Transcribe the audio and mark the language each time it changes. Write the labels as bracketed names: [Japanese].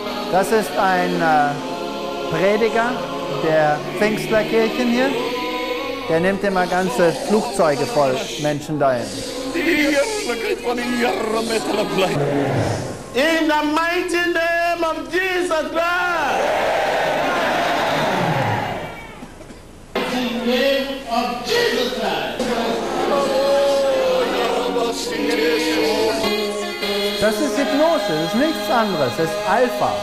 [German] Das ist ein Prediger der Pfingstlerkirchen hier. Der nimmt immer ganze Flugzeuge voll Menschen dahin. [English] In the mighty name of Jesus Christ. In the name of Jesus Christ. [German] Das ist Hypnose, das ist nichts anderes, das ist Alpha.